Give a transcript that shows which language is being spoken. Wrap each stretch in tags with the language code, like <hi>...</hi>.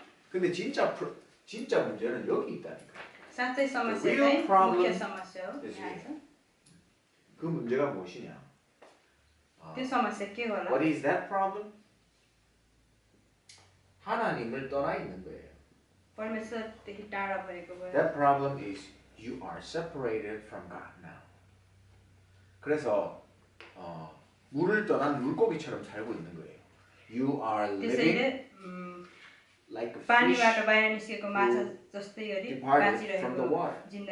<ko>근데 진짜 문제는 여기 있다니까.</ko> <en>The real problem is here.</en> <ko>그 문제가 무엇이냐? 그</ko> <en>What is that problem?</en> <ko>하나님을 떠나 있는 거예요.</ko> <en>That problem is you are separated from God now.</en> <ko>그래서 물을 떠난 물고기처럼 살고 있는 거예요.</ko> <en>You are living like a fish who departed from the water.</en>